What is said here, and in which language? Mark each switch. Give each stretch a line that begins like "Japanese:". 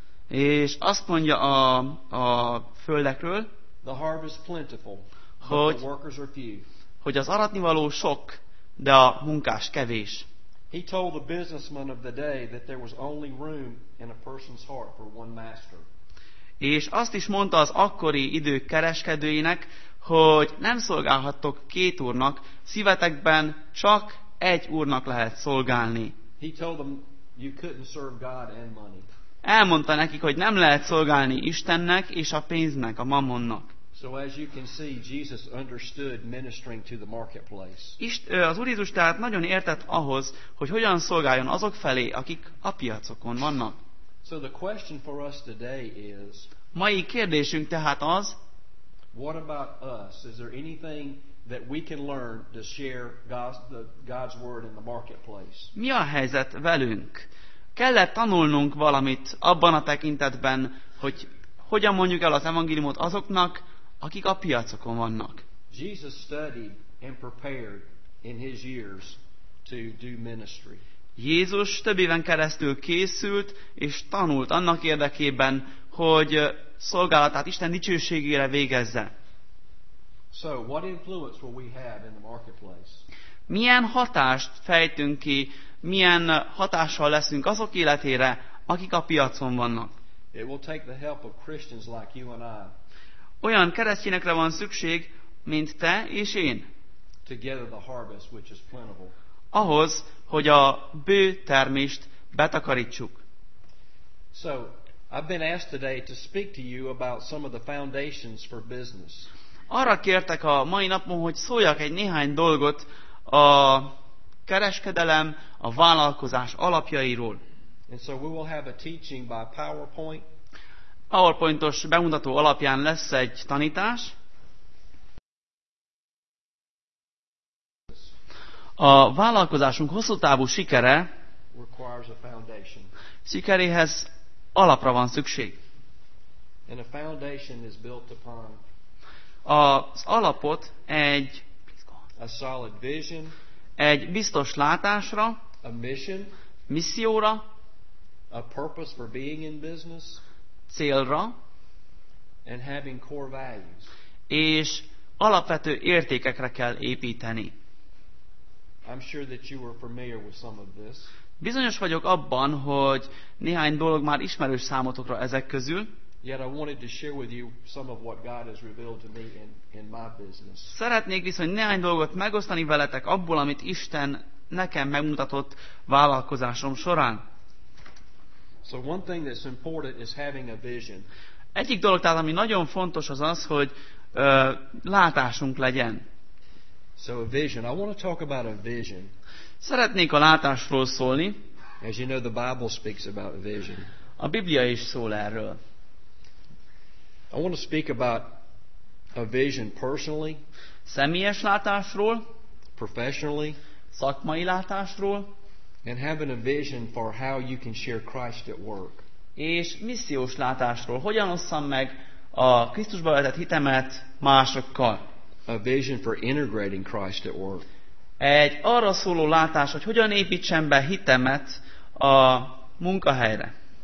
Hungarian: És azt mondja a földekről,
English: the harvest plentiful, but the workers are few.
Hungarian: Hogy az aratnivaló sok, de a munkás kevés.
English: He told the businessman of the day that there was only room in a person's heart for one master.
Hungarian: És azt is mondta az akkori idők kereskedőinek, hogy nem szolgálhattok két úrnak, szívetekben csak egy úrnak lehet szolgálni.
English: He told them you couldn't serve God and money.
Hungarian: Elmondta nekik, hogy nem lehet szolgálni Istennek és a pénznek, a mammonnak.
English: So as you can see, Jesus understood ministering to the marketplace.
Hungarian: Az Úr Jézus tehát nagyon értett ahhoz, hogy hogyan szolgáljon azok felé, akik a piacokon vannak.
English: So the question for us today is,
Hungarian: mai kérdésünk tehát az,
English: what about us? Is there anything that we can learn to share God's word in the marketplace?
Hungarian: Mi a helyzet velünk? Kell-e tanulnunk valamit abban a tekintetben, hogy hogyan mondjuk el az evangéliumot azoknak, akik a piacokon vannak.
English: Jesus studied and prepared in his years to do ministry.
Hungarian: Jézus több éven keresztül készült és tanult annak érdekében, hogy szolgálatát Isten dicsőségére végezze.
English: So what influence will we have in the marketplace?
Hungarian: Milyen hatást fejtünk ki, milyen hatással leszünk azok életére, akik a piacon vannak.
English: It will take the help of Christians like you and I.
Hungarian: Olyan keresztényekre van szükség, mint te és én.
English: Together the harvest, which is plentiful.
Hungarian: Ahhoz, hogy a bő termést betakarítsuk.
English: So, I've been asked today to speak to you about some of the foundations for business.
Hungarian: Arra kértek a mai napon, hogy szóljak egy néhány dolgot a kereskedelem, a vállalkozás alapjairól.
English: And so we will have a teaching by PowerPoint.
Hungarian: PowerPointos bemutató alapján lesz egy tanítás. A vállalkozásunk hosszú távú sikere
English: requires a foundation.
Hungarian: Sikeréhez alapra van szükség.
English: And a foundation is built upon
Hungarian: az alapot egy
English: a solid vision,
Hungarian: egy biztos látásra,
English: a mission,
Hungarian: misszióra,
English: a purpose for being in business,
Hungarian: célra,
English: and having core values.
Hungarian: És alapvető értékekre kell építeni.
English: I'm sure that you are familiar with some of this.
Hungarian: Bizonyos vagyok abban, hogy néhány dolog már ismerős számotokra ezek közül.
English: Yet I wanted to share with you some of what God has revealed to me in my business.
Hungarian: Szeretnék viszont néhány dolgot megosztani veletek abból, amit Isten nekem megmutatott vállalkozásom során.
English: So one thing that's important is having a vision.
Hungarian: Egyik dolog tehát, ami nagyon fontos, az az, hogy látásunk legyen.
English: So a vision. I want to talk about a vision.
Hungarian: Szeretnék a látásról szólni.
English: As you know, the Bible speaks about vision.
Hungarian: A Biblia is szól erről.
English: I want to speak about a vision personally.
Hungarian: Személyes látásról.
English: Professionally.
Hungarian: Szakmai látásról.
English: And having a vision for how you can share Christ at work.
Hungarian: És missziós látásról, hogyan osszam meg a Krisztusba vetett hitemet másokkal.
English: A vision for integrating Christ at work.
Hungarian: Egy arra szóló látás, hogy hogyan építsem be hitemet a munkahelyre.